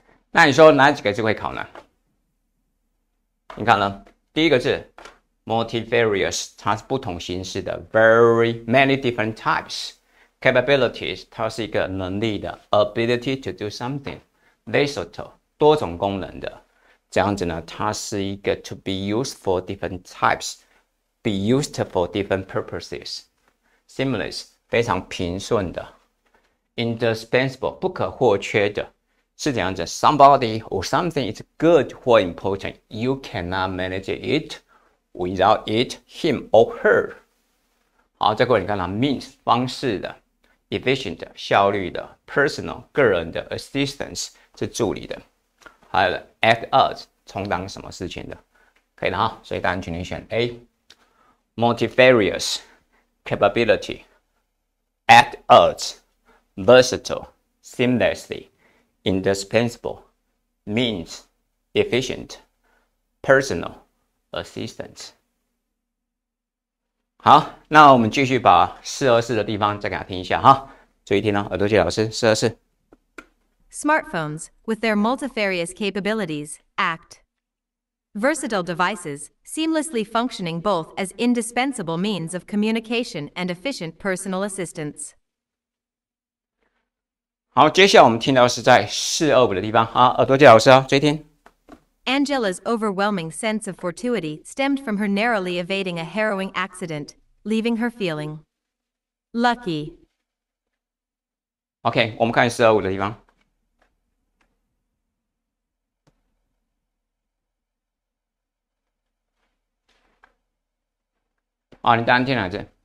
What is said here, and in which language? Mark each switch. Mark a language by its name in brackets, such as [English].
[Chinese] 那你说哪几个字会考呢？你看了第一个字 ，multifarious， 它是不同形式的 ， [English] very many different types， [Chinese] capabilities， 它是一个能力的 ， [English] ability to do something， [Chinese] versatile， 多种功能的。这样子呢，它是一个 [English] to be used for different types， be used for different purposes， seamless [Chinese] 非常平顺的， [English] indispensable [Chinese] 不可或缺的， [English] 是这样子，somebody or something is good or important. You cannot manage it without it, him or her. [Chinese] 好，再过来你看啦，means 方式的，efficient 效率的，personal 个人的，assistance 是助理的，还有 act as 充当什么事情的，可以的哈。所以答案请你选 A。 [English] Multifarious capability, act as versatile, seamlessly. Indispensable means efficient personal assistance。 [Chinese] 好，那我们继续把四二四的地方再给他听一下哈，注意听哦，耳朵姐老师四二四。 [English] Smartphones with their multifarious capabilities act versatile devices, seamlessly functioning both as indispensable means of communication and efficient personal assistance. [Chinese] 好，接下来我们听到是在四二五的地方啊，耳朵姐老师啊，注意听。 [English] Angela's overwhelming sense of fortuity stemmed from her narrowly evading a harrowing accident, leaving her feeling lucky. [Chinese] OK， 我们看四二五的地方。啊，你单听哪句？